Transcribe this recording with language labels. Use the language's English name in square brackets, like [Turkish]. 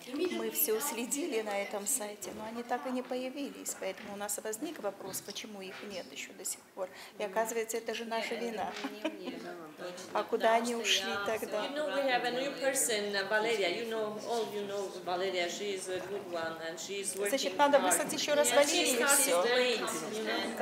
[Russian] Мы все следили на этом сайте, но они так и не появились, поэтому у нас возник вопрос, почему их нет еще до сих пор. И оказывается, это же наша вина. А куда они ушли тогда? [English] You know, we have a new person, Valeria. You know, all you know Valeria. She is a good one, and she is working. [Russian] Значит, надо выслать еще раз Валерию и все.